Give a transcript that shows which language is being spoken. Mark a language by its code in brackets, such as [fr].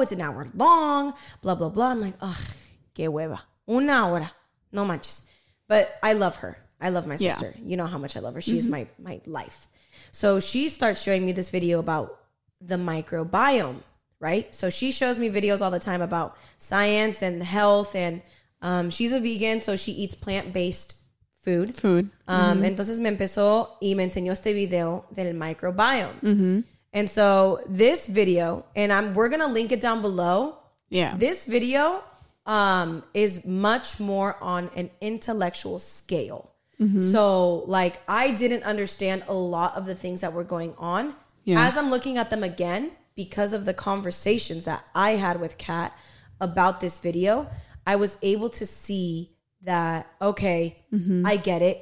[en] It's an hour long, blah, blah, blah. I'm like, ugh, [es] qué hueva. Una hora. No manches. [en] But I love her. I love my sister. Yeah. You know how much I love her. She is my life. So she starts showing me this video about the microbiome, right? So she shows me videos all the time about science and health. And she's a vegan, so she eats plant-based food. [es] Entonces me empezó y me enseñó este video del microbiome. [en] And so this video, and we're going to link it down below. Yeah. This video is much more on an intellectual scale. So like, I didn't understand a lot of the things that were going on. As I'm looking at them again, because of the conversations that I had with Kat about this video, I was able to see that, okay, I get it.